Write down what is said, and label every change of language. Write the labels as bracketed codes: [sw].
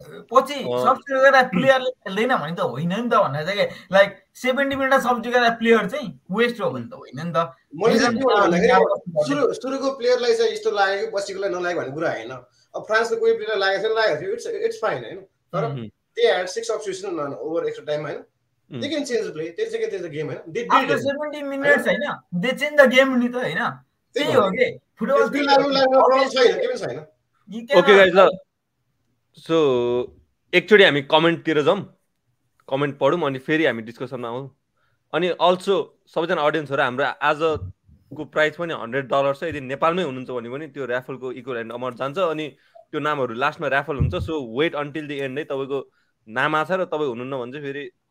[ne] पछि सब्स्टिट्युट गर्दा प्लेयरले खेल्दैन भने त होइन नि त भन्दा चाहिँ लाइक 70 मिनट सब्स्टिट्युट गर्दा प्लेयर चाहिँ वेस्ट हो भने त होइन नि त सुरुको प्लेयरलाई चाहिँ यस्तो लाग्यो कि पछिकोलाई नलाग्यो भन्ने कुरा होइन अब फ्रान्सको कोही प्लेयर लागेको थियो लागेको थियो [en] it's fine [ne] होइन तर [en] they had six substitution over extra time [ne] होइन [en] they can change the play [ne] त्यसै गरी त्यसै गेम होइन [en] they did 70 minutes होइन they change the game [ne] नि त होइन त्यही हो के फुटबल छैन [en] okay guys [ne] ल सो एकचोटि हामी कमेन्टतिर जाउँ कमेन्ट पढौँ अनि फेरि हामी डिस्कसनमा आउँ अनि अल्सो सबैजना अडियन्सहरू हाम्रो आजको प्राइस पनि $100 छ यदि नेपालमै हुनुहुन्छ भने पनि त्यो ऱ्याफलको इक्वल एन्ड अमाउन्ट जान्छ अनि त्यो नामहरू लास्टमा ऱ्याफल हुन्छ [en] so wait until the end [ne] है तपाईँको नाम आछ र तपाईँ हुनुहुन्न भने चाहिँ फेरि